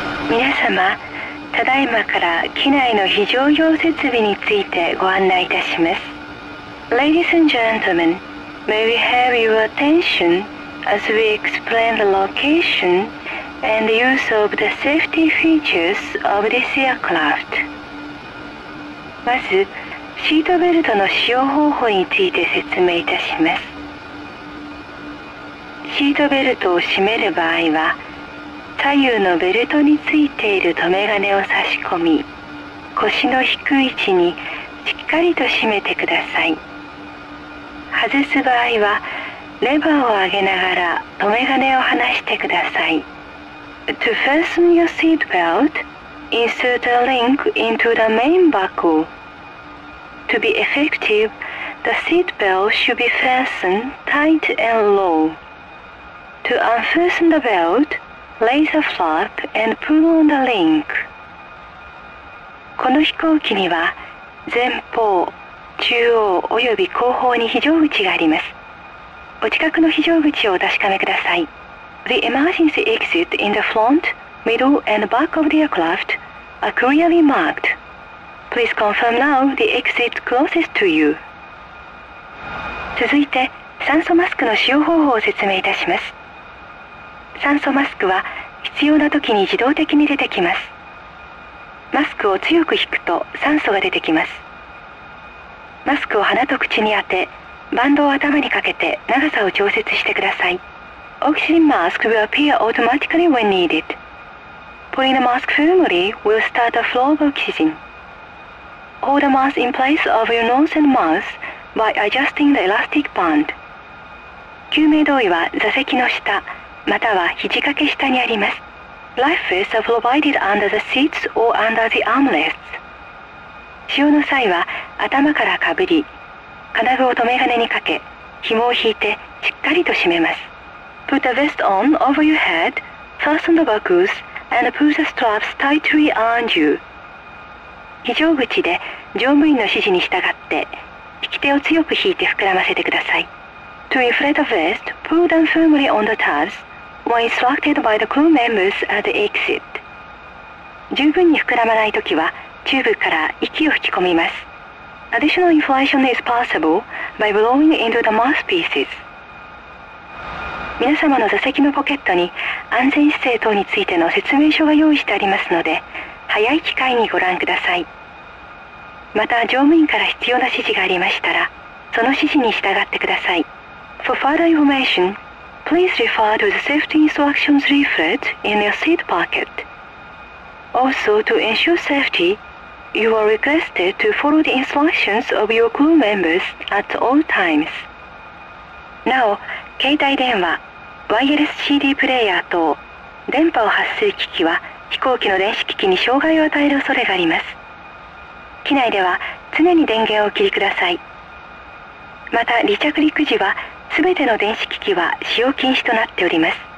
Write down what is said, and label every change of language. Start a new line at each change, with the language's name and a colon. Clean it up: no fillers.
Japanese: 皆様、ただいまから機内の非常用設備についてご案内いたします。
English: Ladies and gentlemen, may we have your attention as we explain the location and the use of the safety features of this aircraft.
Japanese: まず、シートベルトの使用方法について説明いたします。シートベルトを締める場合は、左右のベルトについている留め金を差し込み、腰の低い位置にしっかりと締めてください。外す場合は、レバーを上げながら留め金を離してください。
English: To fasten your seat belt, insert a link into the main buckle. To be effective, the seat belt should be fastened tight and low. To unfasten the belt, raise a flap and pull on the link.
Japanese: この飛行機には前方、中央及び後方に非常口があります。お近くの非常口をお確かめください。
English: The emergency exit in the front, middle and back of the aircraft are clearly marked. Please confirm now the exit closest to you.
Japanese: 続いて、酸素マスクの使用方法を説明いたします。酸素マスクは必要な時に自動的に出てきます。マスクを強く引くと酸素が出てきます。マスクを鼻と口に当て、バンドを頭にかけて長さを調節してください。
English: Oxygen mask will appear automatically when needed. Pulling the mask firmly will start a flow of oxygen. Hold the mask in place of your nose and mouth by adjusting the elastic band.
Japanese: 救命胴衣は座席の下、または肘掛け下にあります。
English: Life vests are provided under the seats or under the armrests.
Japanese: 使用の際は頭からかぶり、金具を留め金にかけ、紐を引いてしっかりと締めます。
English: Put the vest on over your head, fasten the buckles, and pull the straps tightly around you.
Japanese: 非常口で乗務員の指示に従って、引き手を強く引いて膨らませてください。
English: To inflate the vest, pull them firmly on the tabs, when instructed by the crew members at the exit.
Japanese: 十分に膨らまないときは、チューブから息を吹き込みます。
English: Additional inflation is possible by blowing into the mouthpieces.
Japanese: 皆様の座席のポケットに安全姿勢等についての説明書が用意してありますので、早い機会にご覧ください。また、乗務員から必要な指示がありましたら、その指示に従ってください。
English: For further information, please refer to the safety instructions leaflet in your seat pocket. Also, to ensure safety,You are requested to follow the instructions of your crew members at all times.
Japanese: なお、携帯電話、ワイヤレス CD プレイヤー等、電波を発する機器は飛行機の電子機器に障害を与える恐れがあります。機内では常に電源をお切りください。また、離着陸時は全ての電子機器は使用禁止となっております。